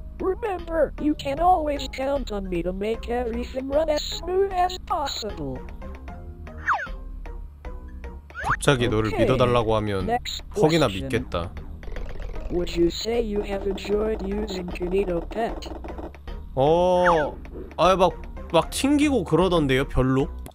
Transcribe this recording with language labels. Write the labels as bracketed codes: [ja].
[en] Remember, you can always count on me to make everything run as smooth as possible. [ko] 갑자기 너를 okay. 믿어달라고 하면 거기나 믿겠다. [en] Would you say you have enjoyed using Kinito Pet? [ko] 어, 아 막 튕기고 그러던데요, 별로?